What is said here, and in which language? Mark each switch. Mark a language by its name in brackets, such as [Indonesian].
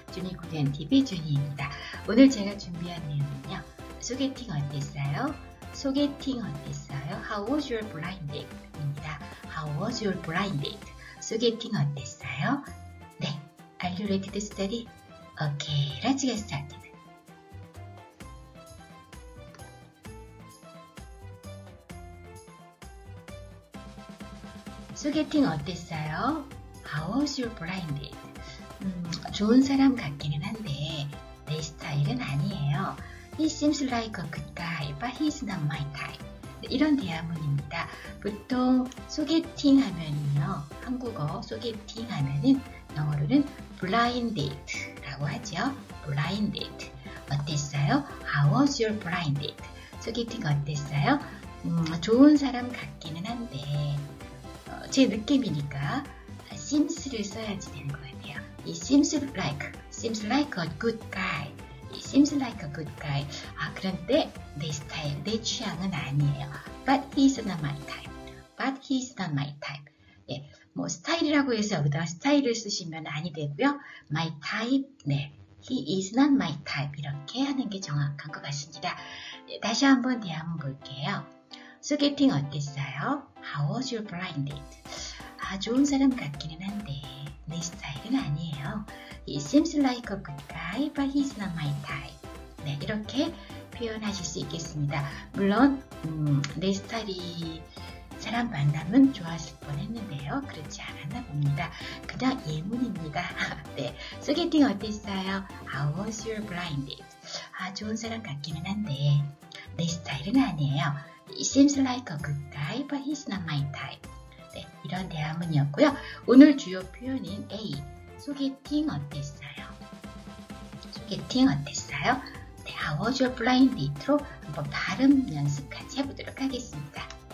[Korean] 주니 고된 TV 주니입니다. 오늘 제가 준비한 내용은요. 소개팅 어땠어요? 소개팅 어땠어요? [English] How was your blind date?입니다. How was your blind date? [Korean] 소개팅 어땠어요? [English] 네, Are you ready to study? Okay, let's get started. [Korean] So getting 어땠어요? [English] How was your blind date? [Korean] 좋은 사람 같기는 한데 내 스타일은 아니에요. [English] He seems like a good guy, but he's not my type. [Korean] 네, 이런 대화문입니다. 보통 소개팅 하면요, 한국어 소개팅 하면은 영어로는 blind date라고 하죠. [English] Blind date. [Korean] 어땠어요? [English] How was your blind date? [Korean] 소개팅 어땠어요? 좋은 사람 같기는 한데. 제 느낌이니까 seems를 써야지 되는 것 같아요. [English] He seems like a good guy. He seems like a good guy. [Korean] 아, 그런데 내 스타일, 내 취향은 아니에요. [English] But he's not my type. But he's not my type. [Korean] 네, 뭐 스타일이라고 해서 여기다가 스타일을 쓰시면 아니 되고요. [English] My type, 네. He is not my type. [Korean] 이렇게 하는 게 정확한 것 같습니다. 네, 다시 한번 대화문 볼게요. 소개팅 어땠어요? [English] How was your blind date? [Korean] 아, 좋은 사람 같기는 한데 내 스타일은 아니에요. [English] He seems like a good guy, but he's not my type. [Korean] 네, 이렇게 표현하실 수 있겠습니다. 물론 내 스타일이 사람 만나면 좋았을 뻔했는데요. 그렇지 않았나 봅니다. 그냥 예문입니다. 네, 소개팅 어땠어요? [English] How was your blind date? [Korean] 아, 좋은 사람 같기는 한데 내 스타일은 아니에요. [English] He seems like a good guy, but he's not my type. [Korean] 네, 이런 대화문이었고요. 오늘 주요 표현인 A, 소개팅 어땠어요? 소개팅 어땠어요? 네, [English] How was your blind date? [Korean] 로 한번 발음 연습 같이 해보도록 하겠습니다.